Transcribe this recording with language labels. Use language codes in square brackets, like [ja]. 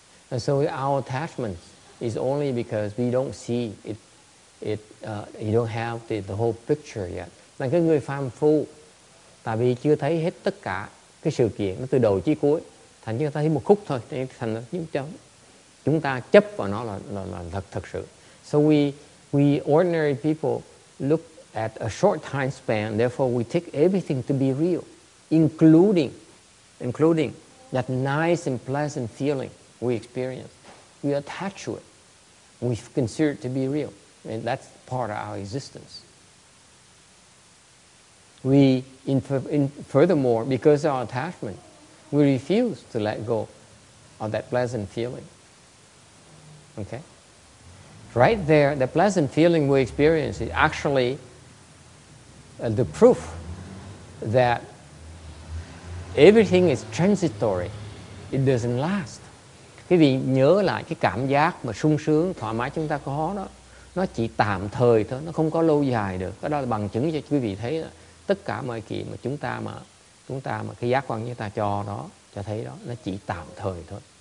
[en] And so our attachment is only because we don't see it. You don't have the whole picture yet. [vi] Là cái người phàm phu, tại vì chưa thấy hết tất cả cái sự kiện nó từ đầu chí cuối, thành chúng ta thấy một khúc thôi, thành chúng ta chấp vào nó là thật sự. [en] So we ordinary people look at a short time span, therefore we take everything to be real, including that nice and pleasant feeling we experience. We attach to it. We consider it to be real. And that's part of our existence. We, furthermore, because of our attachment, we refuse to let go of that pleasant feeling. Okay? Right there, the pleasant feeling we experience is actually the proof that everything is transitory. It doesn't last. [vi] Quý vị nhớ lại cái cảm giác mà sung sướng, thoải mái chúng ta có đó. Nó chỉ tạm thời thôi, nó không có lâu dài được. Cái đó là bằng chứng cho quý vị thấy đó. Tất cả mọi kỳ mà chúng ta mà cái giác quan như ta cho đó, cho thấy đó, nó chỉ tạm thời thôi.